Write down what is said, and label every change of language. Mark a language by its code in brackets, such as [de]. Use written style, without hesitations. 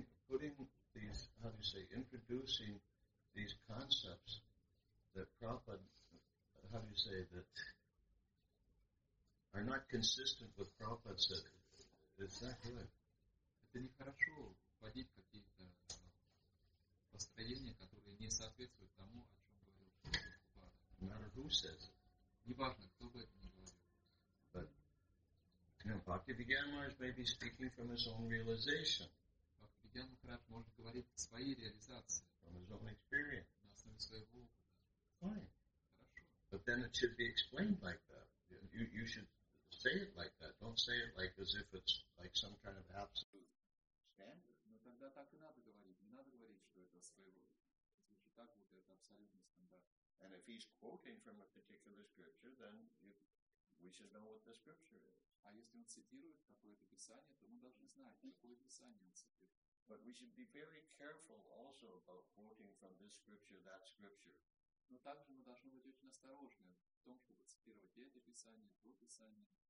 [en] Putting these, how do you say, introducing these concepts that Prabhupada, how do you say, that are not consistent with Prabhupada said, it's not good. [ru] Это нехорошо вводить какие-то построения, которые не соответствуют тому, о чем говорил. [en] No matter who says it. [ru] Неважно, кто бы это ни говорил. [en] But, Bhaktivedanta Maharaj may be speaking from his own realization. [ru] Bhaktivedanta Maharaj может говорить свои реализации. [en] From his own experience. [ru] На основе своего опыта. [en] Fine. [ru] Хорошо. [en] But then it should be explained like that. You should say it like that. Don't say it like as if it's like some kind of absolute standard. [ru] Но тогда так и надо говорить. Не надо говорить, что это своего. Звучит так, будто это абсолютный стандарт. [en] And if he's quoting from a particular scripture, then we should know what the scripture is. [ru] А если он цитирует какое-то писание, то мы должны знать, какое писание он цитирует. [en] But we should be very careful also about quoting from this scripture, that scripture. [ru] Но также мы должны быть очень осторожны в том, чтобы цитировать это писание, то писание.